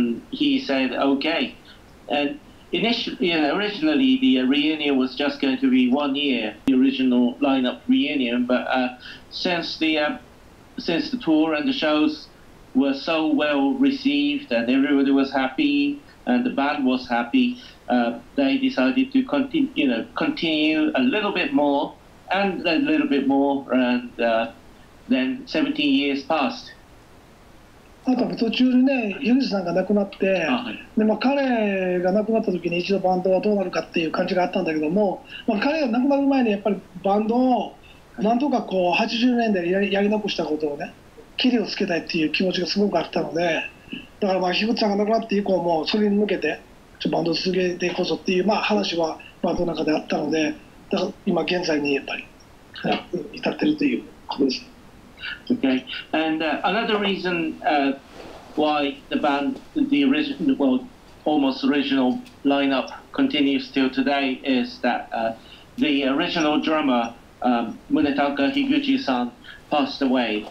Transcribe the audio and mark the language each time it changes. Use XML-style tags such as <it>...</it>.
<en>He said, okay. And originally the reunion was just going to be 1 year, the original lineup reunion, but since the tour and the shows were so well received and everybody was happy and the band was happy, they decided to continue a little bit more and a little bit more, and then 17 years passed.</en> <ja>あと途中でね、ユージさんが亡くなって、で、まあ、彼が亡くなった時に一度バンドはどうなるかっていう感じがあったんだけども、まあ、彼が亡くなる前にやっぱりバンドをなんとかこう80年代やり残したことをね、切りをつけたいっていう気持ちがすごくあったので、だからまあ樋口さんが亡くなって以降もそれに向けてちょっとバンドを続けていこうぞっていう、まあ話はバンドの中であったので、だから今現在にやっぱり至ってるということです。</ja> <en>Okay, and another reason why the band, the original, well, almost original lineup continues till today is that the original drummerMunetaka Higuchi-san passed away.</en>